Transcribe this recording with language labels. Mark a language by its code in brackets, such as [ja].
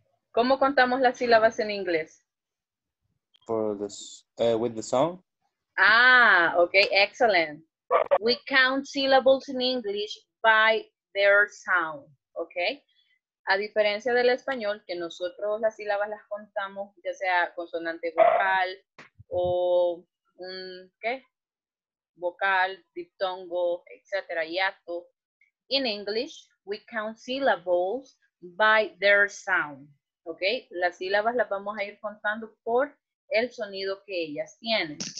[es] ¿Cómo contamos las sílabas en inglés? [en] For this, with the sound. Ah, okay, excellent. We count syllables in English by their sound, okay? [es] A diferencia del español, que nosotros las sílabas las contamos, ya sea consonante vocal o, ¿qué? Vocal, diptongo, etc., hiato. [en] In English, we count syllables by their sound. [es] Ok, las sílabas las vamos a ir contando por el sonido que ellas tienen.